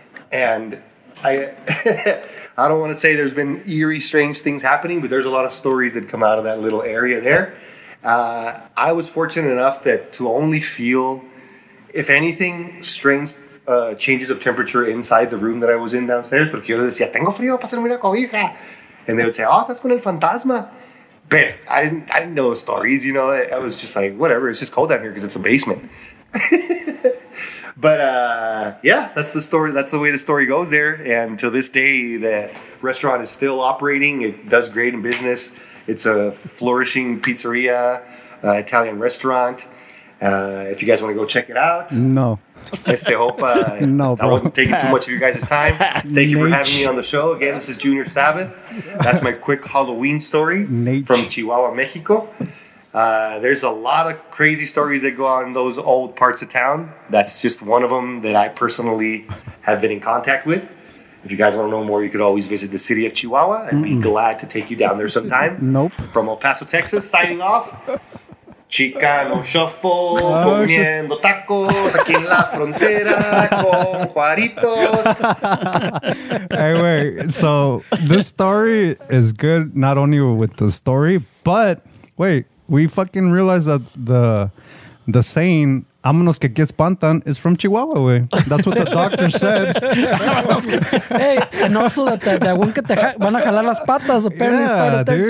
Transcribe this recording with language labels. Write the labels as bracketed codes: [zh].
[en] And I don't want to say there's been eerie, strange things happening, but there's a lot of stories that come out of that little area there. I was fortunate enough that to only feel, if anything, strange changes of temperature inside the room that I was in downstairs. [es] Porque yo decía, tengo frío, pásame una cobija. [en] And they would say, oh, that's [es] con el fantasma. [en] But I didn't know the stories, you know. I was just like, whatever, it's just cold down here because it's a basement. But yeah, that's the story. That's the way the story goes there. And to this day, the restaurant is still operating. It does great in business. It's a flourishing pizzeria, Italian restaurant. If you guys want to go check it out. No. Este hopa. No, I won't take too much of your guys' time. Thank you for having me on the show. Again, this is Junior Sabbath. That's my quick Halloween story from Chihuahua, Mexico. There's a lot of crazy stories that go on in those old parts of town. That's just one of them that I personally have been in contact with. If you guys want to know more, you could always visit the city of Chihuahua. I'd be glad to take you down there sometime. Nope. From El Paso, Texas, signing off. [es] Chicano Shuffle, comiendo tacos aquí en la frontera con Juaritos. [en] Anyway, so this story is good not only with the story, but wait, we fucking realized that the saying, [es] Amonos que aquí espantan, [en] is from Chihuahua, güey. That's what the doctor said. Hey, and also that one [es] que te van a jalar las patas, [en] apparently, yeah, started dude.